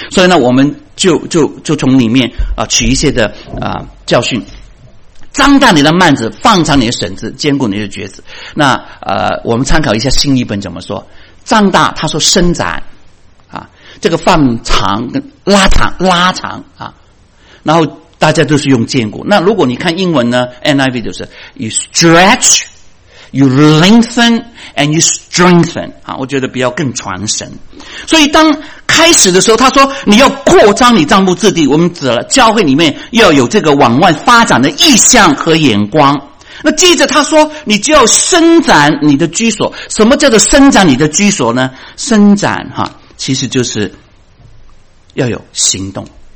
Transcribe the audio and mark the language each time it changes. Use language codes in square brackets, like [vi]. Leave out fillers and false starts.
[zh] 所以呢，我们就从里面啊取一些的啊教训，张大你的幔子，放长你的绳子，坚固你的橛子。那我们参考一下新译本怎么说？张大他说伸展啊，这个放长跟拉长拉长啊，然后大家都是用坚固。那如果你看英文呢 ，NIV 就是 [en] you stretch。 You lengthen and you strengthen. [zh] 我觉得比较更传神。所以当开始的时候，他说你要扩张你帐幕之地，我们指了教会里面要有这个往外发展的意向和眼光。那接着他说你就要伸展你的居所。什么叫做伸展你的居所呢？伸展其实就是要有行动。